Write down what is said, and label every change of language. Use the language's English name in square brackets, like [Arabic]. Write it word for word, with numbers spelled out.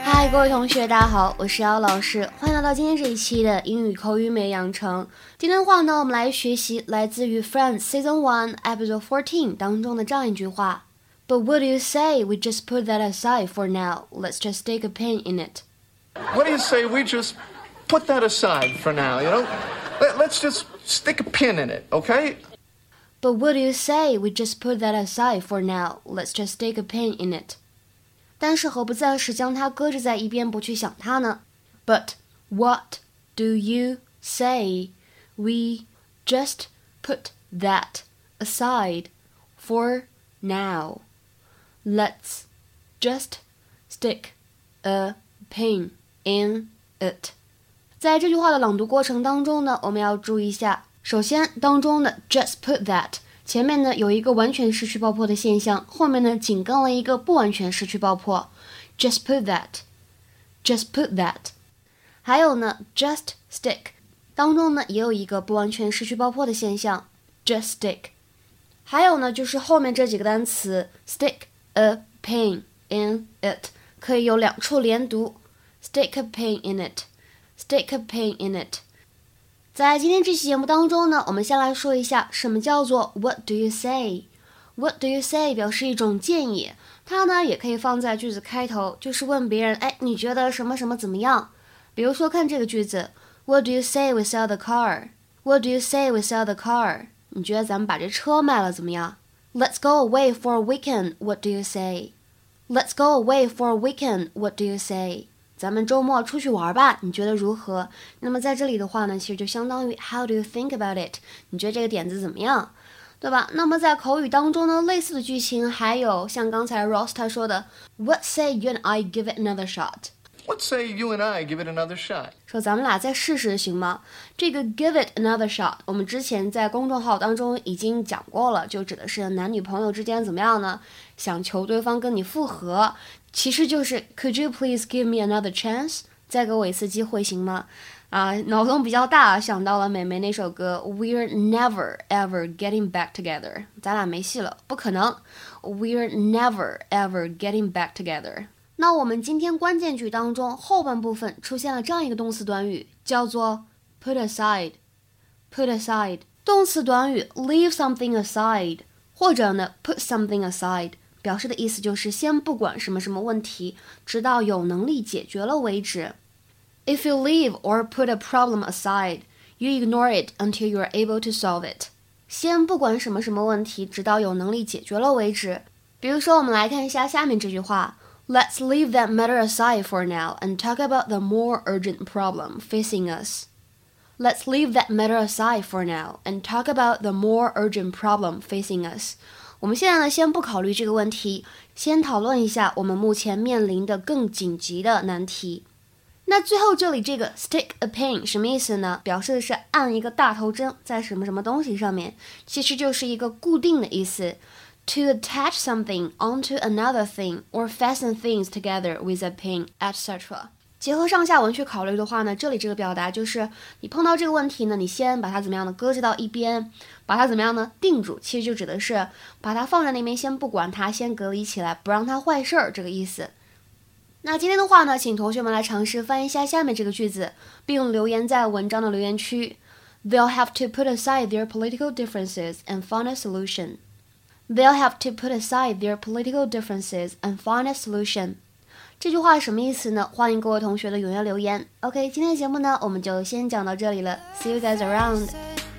[Chinese] 各位同学，大家好，我是姚老师，欢迎来到今天这一期的英语口语美养成。今天的话呢，我们来学习来自于 [English] Friends Season one Episode fourteen [Chinese] 当中的这样一句话 [English] But what do you say we just put that aside for now? Let's just take a pin in it. What do you say we just put that aside for now, you know? Let's just stick a pin in it, okay? But what do you say we just put that aside for now? Let's just stick a pin in it. [Chinese] 但是何不暂时将它搁置在一边不去想它呢 [English] But what do you say we just put that aside for now? Let's just stick a pin in it. [Chinese] 在这句话的朗读过程当中呢，我们要注意一下，首先当中的 [English] just put that [Chinese] 前面呢有一个完全失去爆破的现象，后面呢紧跟了一个不完全失去爆破 [English] Just put that Just put that [Chinese] 还有呢 [English] Just stick [Chinese] 当中呢也有一个不完全失去爆破的现象 Just stick 还有呢就是后面这几个单词 [English] Stick a pin in it [Chinese] 可以有两处连读 Stick a pin in it Stick a pin in it在今天这期节目当中呢，我们先来说一下什么叫做 [English] What do you say? [Chinese] What do you say 表示一种建议，它呢也可以放在句子开头，就是问别人，哎，你觉得什么什么怎么样？比如说看这个句子 [English] What do you say we sell the car? What do you say we sell the car? [Chinese] 你觉得咱们把这车卖了怎么样？ [English] Let's go away for a weekend. What do you say? Let's go away for a weekend. What do you say? [Chinese] 咱们周末出去玩吧，你觉得如何？那么在这里的话呢，其实就相当于 [English] How do you think about it？ [Chinese] 你觉得这个点子怎么样，对吧？那么在口语当中呢，类似的剧情还有像刚才 Ross 他说的 [English] What say you and I give it another shot？ What say you and I give it another shot？ [Chinese] 说咱们俩再试试行吗？这个 [English] give it another shot [Chinese] 我们之前在公众号当中已经讲过了，就指的是男女朋友之间怎么样呢，想求对方跟你复合，其实就是 [English] Could you please give me another chance? [Chinese] 再给我一次机会行吗？啊，脑洞比较大，想到了美眉那首歌 [English] We're never ever getting back together. [Chinese] 咱俩没戏了，不可能。 [English] We're never ever getting back together. [Chinese] 那我们今天关键句当中后半部分出现了这样一个动词短语，叫做 [English] put aside. Put aside. [Chinese] 动词短语 [English] leave something aside [Chinese] 或者呢 [English] put something aside。 [Chinese] 表示的意思就是先不管什么什么问题，直到有能力解决了为止。 [English] If you leave or put a problem aside, you ignore it until you are able to solve it. [Chinese] 先不管什么什么问题，直到有能力解决了为止。比如说，我们来看一下下面这句话 [English] Let's leave that matter aside for now and talk about the more urgent problem facing us. Let's leave that matter aside for now and talk about the more urgent problem facing us. [Chinese] 我们现在呢，先不考虑这个问题，先讨论一下我们目前面临的更紧急的难题。那最后这里这个 [English] stick a pin [Chinese] 什么意思呢？表示的是按一个大头针在什么什么东西上面，其实就是一个固定的意思。 [English] To attach something onto another thing or fasten things together with a pin, et cetera. [Chinese] 结合上下文去考虑的话呢，这里这个表达就是你碰到这个问题呢，你先把它怎么样的搁置到一边，把它怎么样呢定住，其实就指的是把它放在那边，先不管它，先隔离起来，不让它坏事儿这个意思。那今天的话呢，请同学们来尝试翻译一下下面这个句子，并留言在文章的留言区。 [English] They'll have to put aside their political differences and find a solution. They'll have to put aside their political differences and find a solution. [Chinese] 这句话是什么意思呢？欢迎各位同学的踊跃留言。 [English] OK， [Chinese] 今天的节目呢，我们就先讲到这里了。 [English] See you guys around.